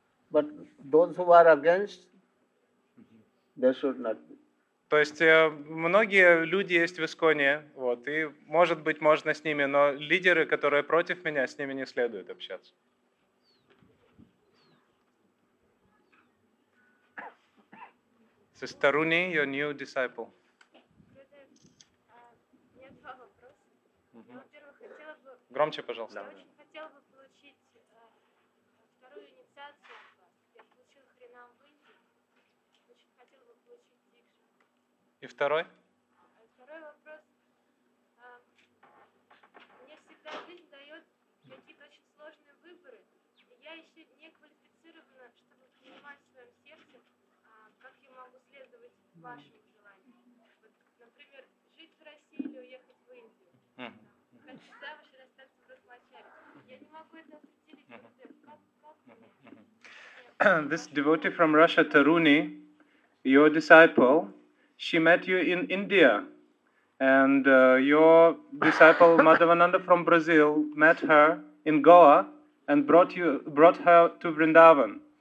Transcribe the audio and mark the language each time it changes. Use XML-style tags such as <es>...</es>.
<en>But those who are against, they should not be.</en> <ru>То есть многие люди есть в ИСКОНе, вот, и, может быть, можно с ними, но лидеры, которые против меня, с ними не следует общаться. Sister Runi, your new disciple. У меня два вопроса. Во-первых, хотела бы... Громче, пожалуйста. Я очень хотела бы получить вторую инициацию. Я получила Хринам в Индии. Очень хотела бы получить дикшу. И второй? Второй вопрос. Мне всегда жизнь дает какие-то очень сложные выборы. И я еще не квалифицирована, чтобы понимать в своем сердце, как я могу следовать вашему желанию. Вот, например, жить в России или уехать в Индию. Хочу завтра остаться в Рахмачаре. Я не могу это определить. Как мне?</ru> <en>This devotee from Russia, Taruni, your disciple, she met you in India. And your disciple, Madhavananda from Brazil, met her in Goa and brought her to Vrindavan.</en>